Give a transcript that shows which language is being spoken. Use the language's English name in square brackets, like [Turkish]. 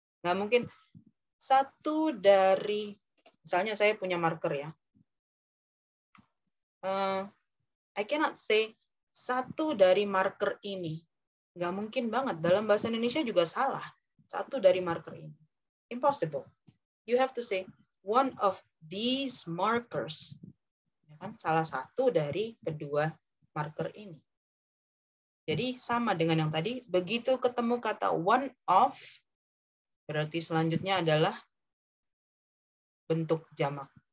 [Indonesian] Gak mungkin satu dari, misalnya saya punya marker ya. [English] I cannot say [Indonesian] satu dari marker ini. Gak mungkin banget. Dalam bahasa Indonesia juga salah. Satu dari marker ini. Impossible. [English] You have to say one of these markers. [Indonesian] Ya kan? Salah satu dari kedua marker ini. Jadi sama dengan yang tadi. Begitu ketemu kata one of, berarti selanjutnya adalah bentuk jamak.